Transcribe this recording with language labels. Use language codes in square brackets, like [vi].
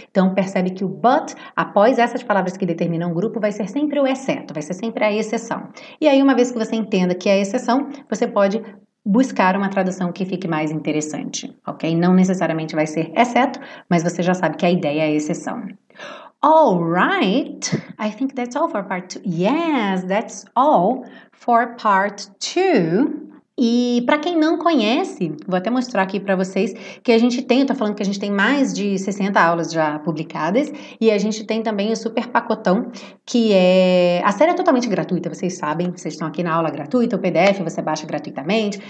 [pt] Então percebe que o but, após essas palavras que determinam um grupo, vai ser sempre o exceto, vai ser sempre a exceção. E aí, uma vez que você entenda que é a exceção, você pode buscar uma tradução que fique mais interessante, ok? Não necessariamente vai ser exceto, mas você já sabe que a ideia é a exceção. [en] All right, I think that's all for part two. Yes, that's all for part two. [pt] E para quem não conhece, vou até mostrar aqui para vocês que a gente tem, eu tô falando que a gente tem mais de 60 aulas já publicadas, e a gente tem também o super pacotão, que é a série é totalmente gratuita, vocês sabem, vocês estão aqui na aula gratuita, o PDF você baixa gratuitamente.